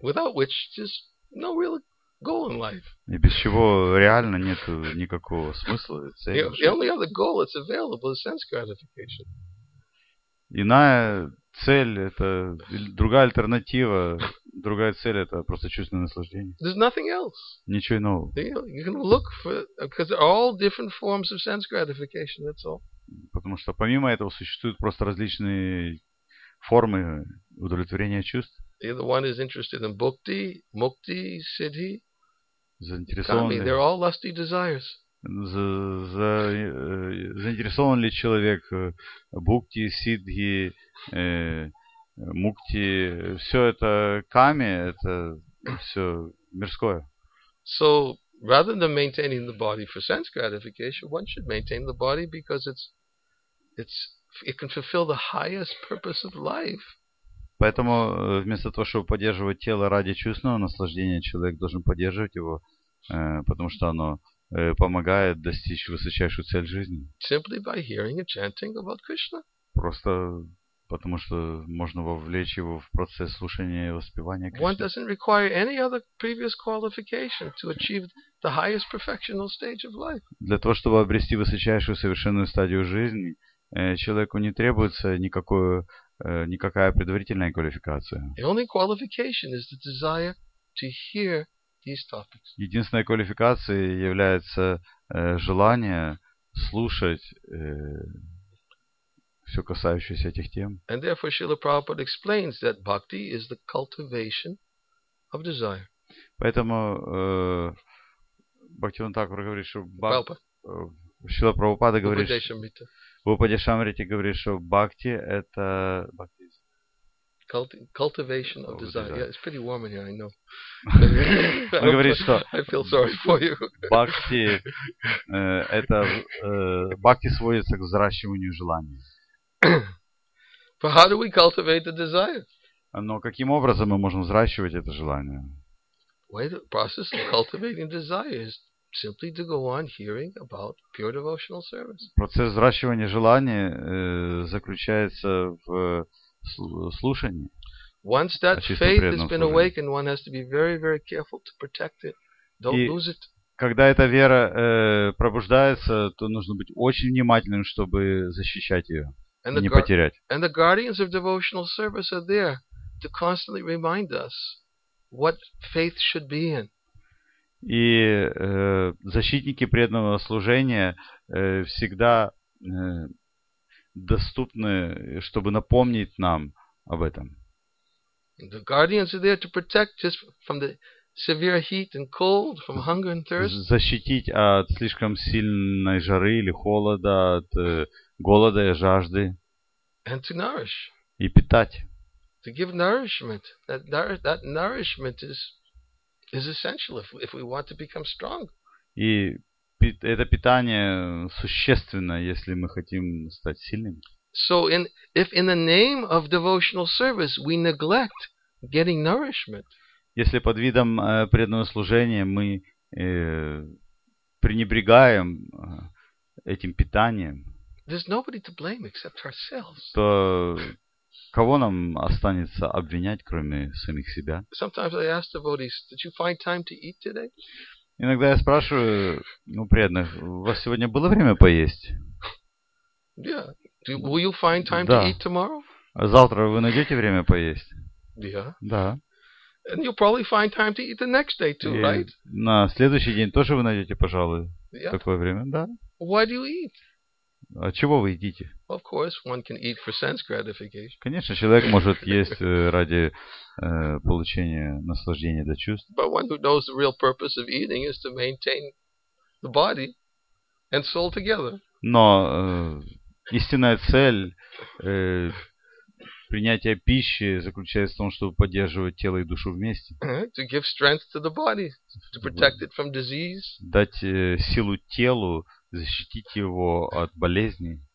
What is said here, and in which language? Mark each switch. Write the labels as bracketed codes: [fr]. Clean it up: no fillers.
[en] Without which there's no real goal in life. [ru] И без чего реально нет никакого смысла и цели. [en] The only other goal that's available is sense gratification. [ru] Иная цель – это другая альтернатива, другая цель – это просто чувственное наслаждение. [en] There's nothing else. [ru] Ничего иного. [en] You can look for, because there are all different forms of sense gratification, that's all. [ru] Потому что помимо этого существуют просто различные формы удовлетворения чувств. [en] The one is interested in bhakti, mukti, siddhi, kami. They're all lusty desires. [ru] Заинтересован ли человек бхукти, сиддхи, мукти? Все это ками, это все мирское. [en] So, rather than maintaining the body for sense gratification, one should maintain the body because it can fulfill the highest purpose of life. [ru] Поэтому вместо того, чтобы поддерживать тело ради чувственного наслаждения, человек должен поддерживать его, потому что оно помогает достичь высочайшую цель жизни. [en] Simply by hearing and chanting about Krishna. [ru] Просто потому что можно вовлечь его в процесс слушания и воспевания Кришны. [en] One doesn't require any other previous qualification to achieve the highest perfectional stage of life. [ru] Для того, чтобы обрести высочайшую совершенную стадию жизни, человеку не требуется никакая предварительная квалификация. [en] The only qualification is the desire to hear these topics. [ru] Единственной квалификацией является желание слушать все касающееся этих тем. [en] And therefore Srila Prabhupada explains that bhakti is the cultivation of desire. [ru] Поэтому Бхактивинода Тхакура говорит, что Шрила Прабхупада говорит, в Упадешамрите говорит, что бхакти – это бхакти. [en] Cultivation of desire. Yeah, it's pretty warm in here, I know. [ru] Он говорит, что [en] I feel sorry for you. [ru] Бхакти – это бхакти сводится к взращиванию желания. [en] But how do we cultivate the desire? [ru] Но каким образом мы можем взращивать это желание? [en] The process of cultivating desire is simply to go on hearing about pure devotional service. [ru] Процесс взращивания желания заключается в слушании. [en] Once that faith has been awakened, one has to be very, very careful to protect it. Don't lose it. [ru] Когда эта вера пробуждается, то нужно быть очень внимательным, чтобы защищать ее, не потерять. [en] And the guardians of devotional service are there to constantly remind us what faith should be in. [ru] И защитники преданного служения всегда доступны, чтобы напомнить нам об этом. [en] The guardians are there to protect us from the severe heat and cold, from hunger and thirst. [ru] Защитить от слишком сильной жары или холода, от голода и жажды. [en] And to nourish. [ru] И питать. [en] To give nourishment. That nourishment is essential if we want to become strong. [ru] И это питание существенно, если мы хотим стать сильными. [en] So if in the name of devotional service we neglect getting nourishment. [ru] Если под видом преданного служения мы пренебрегаем этим питанием. [en] There's nobody to blame except ourselves. [ru] То кого нам останется обвинять, кроме самих себя? [en] Sometimes I ask devotees, did you find time to eat today? [ru] Иногда я спрашиваю, преданных, у вас сегодня было время поесть? [en] Yeah. Will you find time [ru] да. [en] to eat tomorrow? [ru] Завтра вы найдете время поесть? [en] Yeah. [ru] Да. [en] And you'll probably find time to eat the next day too, [ru] и [en] right? [ru] На следующий день тоже вы найдете, пожалуй, [en] yeah. [ru] такое время, да. [en] Why do you eat? [ru] От чего вы едите? [en] Of course, one can eat for sense gratification. [ru] Конечно, человек может есть ради получения наслаждения для чувств. [en] But one who knows the real purpose of eating is to maintain the body and soul together. [ru] Но истинная цель принятия пищи заключается в том, чтобы поддерживать тело и душу вместе. [en] To give strength to the body, to protect it from disease. [ru] Дать силу телу, защитить его от болезней.